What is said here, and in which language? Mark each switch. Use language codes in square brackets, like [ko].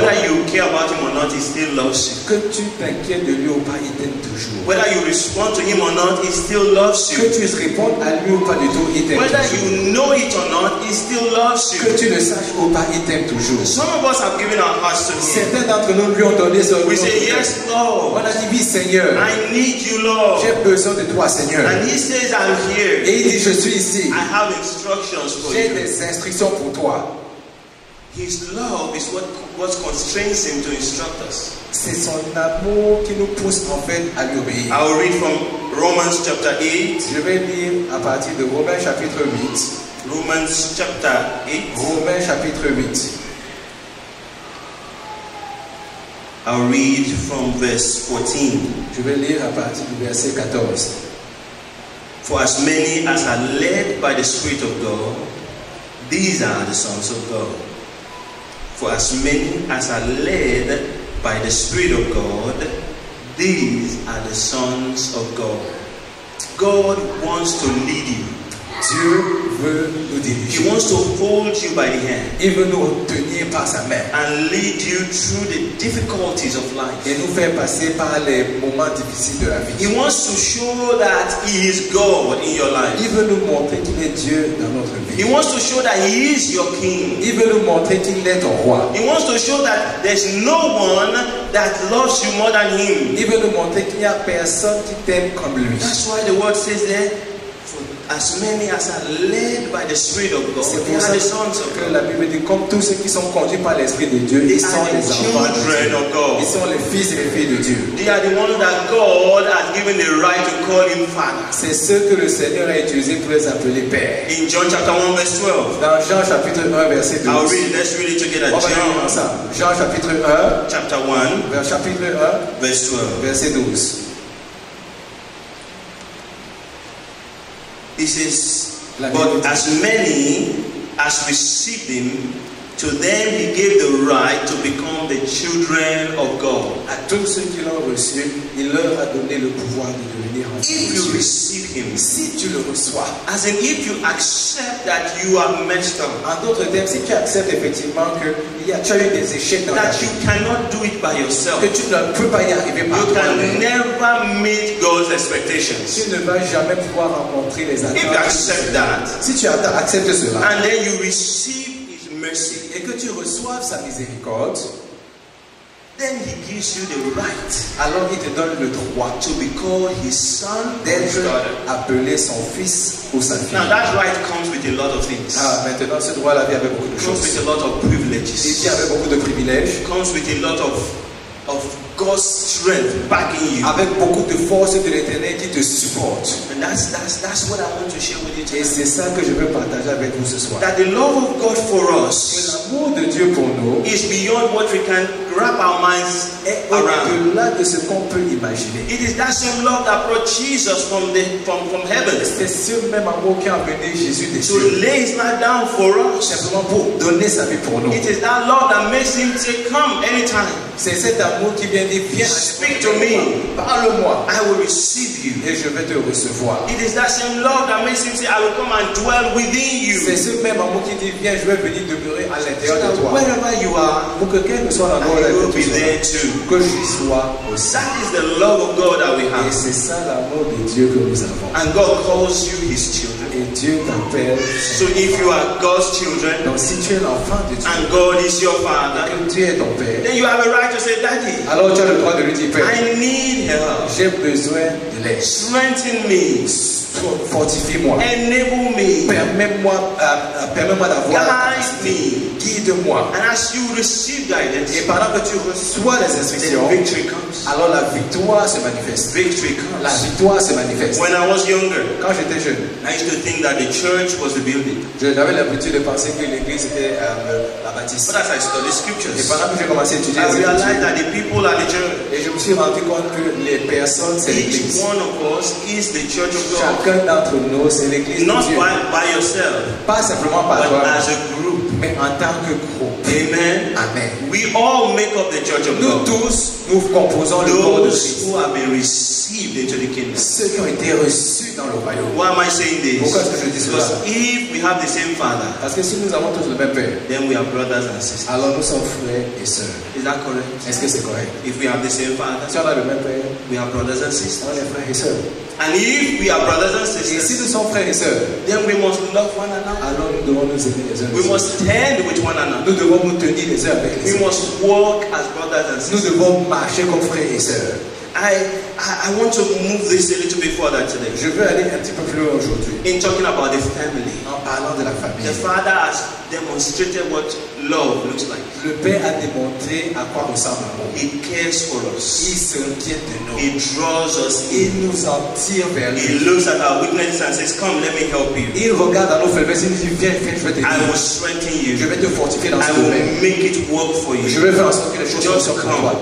[en] Whether you care about Him or not, He still loves you. [fr] Que tu t'inquiètes de lui ou pas, il t'aime toujours. [en] Whether you respond to Him or not, He still loves you. [fr] Que tu réponds à lui ou pas du tout, il t'aime [en] whether [fr] toujours. [en] Whether you know it or not, He still loves still. [fr] Que tu le saches ou pas, il t'aime toujours. [en] Some of us have given our hearts to him. [fr] Certains d'entre nous lui ont donné son cœur. [en] We say yes, Lord. [fr] On a dit oui, Seigneur. [en] I need you, Lord. [fr] J'ai besoin de toi, Seigneur. [en] And he says, I'm here. [fr] Et il dit, je suis ici. [en] I have instructions for [fr] J'ai des instructions pour toi. [en] His love is what constrains him to instruct us. [fr] C'est son amour qui nous pousse en fait à lui obéir. [en] I will read from Romans chapter 8. [fr] Je vais lire à partir de Romains chapitre 8. [en] Romans chapter 8. [fr] Romains chapitre 8. [en] I will read from verse 14. [fr] Je vais lire à partir du verset 14. [en] For as many as are led by the Spirit of God, these are the sons of God. For as many as are led by the Spirit of God, these are the sons of God. God wants to lead you. [fr] Dieu veut nous diriger. [en] He wants to hold you by the hand. [fr] Il veut nous tenir par sa main. [en] And lead you through the difficulties of life. [fr] Et nous faire passer par les moments difficiles de la vie. [en] He wants to show that he is God in your life. [fr] Il veut nous montrer qu'il est Dieu dans notre vie. [en] He wants to show that he is your king. [fr] Il veut nous montrer qu'il est ton roi. [en] He wants to show that there's no one that loves you more than him. [fr] Il veut nous montrer qu'il n'y a personne qui t'aime comme lui. [en] That's why the word says there, as many as are led by the Spirit of God, they are the sons of God. [fr] La Bible dit comme tous ceux qui sont conduits par l'Esprit de Dieu, ils sont les [en] children of God. [fr] Ils sont les fils et les filles de Dieu. [en] They are the ones that God has given the right to call him Father. [fr] C'est ceux que le Seigneur a utilisé pour les appeler Père. [en] In John chapter 1 verse 12. [fr] Dans Jean chapitre 1 verset 12. [en] I'll read. Let's read it together. [fr] Jean chapitre 1. [en] Chapter 1. [fr] Vers chapitre 1. [en] Verse 12. [fr] Verset 12. [en] This is, but as many as received him, to them he gave the right to become the children of God. [fr] À tous ceux qui l'ont reçu, il leur a donné le pouvoir de devenir enfants de Dieu. [en] If you receive him, [fr] si tu le reçois, [en] as in if you accept that you are messed up. [fr] En d'autres termes, si tu acceptes effectivement que tu as eu des échecs dans ta vie, [en] you cannot do it by yourself. [fr] Que tu ne peux pas y arriver par toi-même. [en] You can never meet God's expectations. [fr] Tu ne vas jamais pouvoir rencontrer les attentes. [en] If you accept that, [fr] si tu acceptes cela, [en] and then you receive mercy, [fr] et que tu reçoives sa miséricorde, [en] then he gives you the right. [fr] Alors il te donne le droit [en] to be called his son, [fr] d'être appelé son fils ou sa fille. [en] Now that right comes with a lot of things. [fr] Ah, maintenant ce droit-là vient avec beaucoup de choses. [en] Comes with a lot of privileges. [fr] Il vient avec beaucoup de privilèges. [en] Comes with a lot of God's strength backing you. [fr] Avec beaucoup de force de l'Éternel qui te supporte. [en] And that's what I want to share with you today. [fr] Et c'est ça que je veux partager avec vous ce soir. [en] That the love of God for us, [fr] l'amour de Dieu pour nous, [en] is beyond what we can wrap our minds around. [fr] Au-delà de ce qu'on peut imaginer. [en] It is that same love that brought Jesus from heaven. [fr] C'est ce même amour qui a amené Jésus des cieux. [en] To lay his life down for us. [fr] Simplement pour donner sa vie pour nous. [en] It is that love that makes him say, come anytime. [fr] C'est cet amour qui vient dire, viens. [en] Speak to me. [fr] Parle-moi. [en] I will receive you. [fr] Et je vais te recevoir. [en] It is that same love that makes him say, I will come and dwell within you. [fr] C'est ce même amour qui dit, viens, je vais venir demeurer à l'intérieur de toi. [en] Wherever you are, [fr] pour que quel que soit l'endroit où tu es, [en] I will be there too. [fr] Que je sois aussi. [en] That is the love of God that we have. [fr] Et c'est ça l'amour de Dieu que nous avons. [en] And God calls you his children. [fr] Et Dieu t'appelle. [en] So if you are God's children, [fr] donc si tu es l'enfant de Dieu, [en] and God is your father, [fr] et Dieu est ton père, [en] then you have a right to say, Daddy, [fr] alors tu as le droit de lui dire, Père, [en] I need help. [fr] J'ai besoin de l'aide. [en] Strengthen me. [fr] Fortifie-moi. [en] Enable me. [fr] Permets-moi d'avoir. [en] Guide me. [fr] Guide-moi. [en] And as you receive guidance, [fr] et pendant que tu reçois les instructions, [en] victory comes. [fr] Alors la victoire se manifeste. [en] Victory comes. [fr] La victoire se manifeste. [en] When I was younger, [fr] quand j'étais jeune, [en] I used to think that the church was the building. [fr] J'avais l'habitude de penser que l'église était la bâtisse. [en] But as I studied scriptures, [fr] et pendant que j'ai commencé à étudier, [en] I realized that the people are the church. [fr] Et je me suis rendu compte que les personnes, c'est l'église. [en] Each one of us is the church of God. [fr] Chacun d'entre nous, c'est l'église [en] not [fr] de Dieu. [en] By yourself, [fr] pas simplement par [en] but [fr] toi, [en] as a group. [fr] mais en tant que groupe. [en] Amen. [fr] Amen. [en] We all make up the church of God. [fr] Nous tous, nous composons le corps de Christ. [en] Those who have been received into the kingdom. [fr] Ceux qui ont été reçus dans le royaume. [en] Why am I saying this? [fr] Pourquoi est-ce que je dis cela? [en] Because if we have the same Father, [fr] parce que si nous avons tous le même Père, [en] then we are brothers and sisters. [fr] Alors nous sommes frères et sœurs. [en] Is that correct? [fr] Est-ce que c'est correct? [en] If we have the same Father, [fr] si on a le même Père, [en] we are brothers and sisters. [fr] On est frères et sœurs. [en] And if we are brothers and sisters, [fr] et si nous sommes frères et sœurs, [en] then we must love one another. [fr] Alors nous devons nous aimer les uns. [en] We must stand with one another. [fr] Nous devons nous tenir les uns avec les autres. [en] We must walk as brothers and sisters. [fr] Nous devons marcher comme frères et sœurs. [en] I want to move this a little bit further today. [fr] Je veux aller un petit peu plus loin aujourd'hui. [en] In talking about the family, [fr] en parlant de la famille, [en] the Father has demonstrated what love looks like. [fr] Le Père a démontré à quoi ressemble l'amour. [en] He cares for us. [fr] Il se tient de nous. [en] He draws us in. [fr] Il nous attire vers lui. [en] He looks at our weaknesses and says, "Come, let me help you." [fr] Il regarde à nos faiblesses et dit, "Viens, viens, je vais t'aider." [en] I will strengthen you. [fr] Je vais te fortifier dans ce domaine. [en] I will make it work for you. [fr] Je vais faire en sorte que les choses soient pour toi.